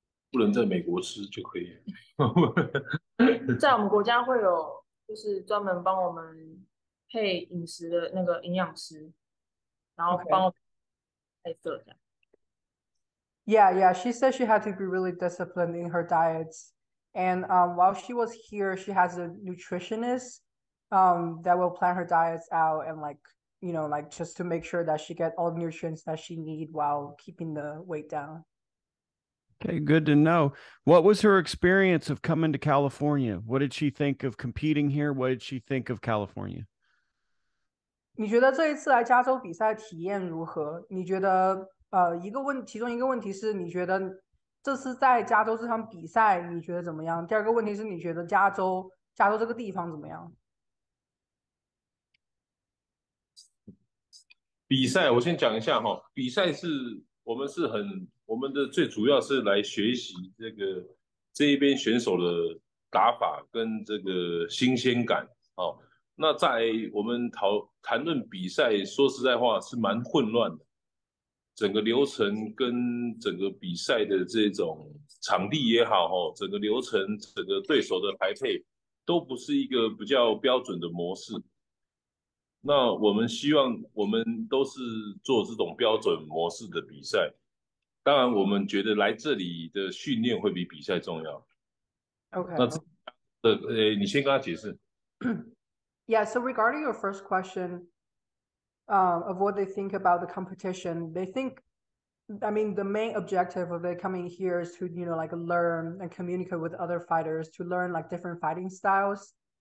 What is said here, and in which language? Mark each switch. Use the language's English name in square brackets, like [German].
[Chinese] 不能在美国吃就可以。在我们国家会有，就是专门帮我们配饮食的那个营养师，然后帮 我配色这样。 [English] OK，Yeah，Yeah，yeah, she said she had to be really disciplined in her diets, and while she was here, she has a nutritionist that will plan her diets out and like. you know, like just to make sure that she get all the nutrients that she need while keeping the weight down. Okay, good to know. What was her experience of coming to California? What did she think of competing here? What did she think of California? [Chinese] 你觉得这一次来加州比赛体验如何？你觉得一个问，其中一个问题是你觉得这次在加州这场比赛你觉得怎么样？第二个问题是你觉得加州这个地方怎么样？比赛我先讲一下哈，比赛是我们是很我们的最主要是来学习这个这一边选手的打法跟这个新鲜感哦。那在我们谈论比赛，说实在话是蛮混乱的，整个流程跟整个比赛的这种场地也好哈，整个流程整个对手的排配都不是一个比较标准的模式。那我们希望我们都是做这种标准模式的比赛，当然我们觉得来这里的训练会比比赛重要。 [English] Okay. [Chinese] 那这个你先跟他解释。 [English] Yeah, so regarding your first question, of what they think about the competition, they think, I mean, the main objective of it coming here is to, you know, like learn and communicate with other fighters, to learn like different fighting styles.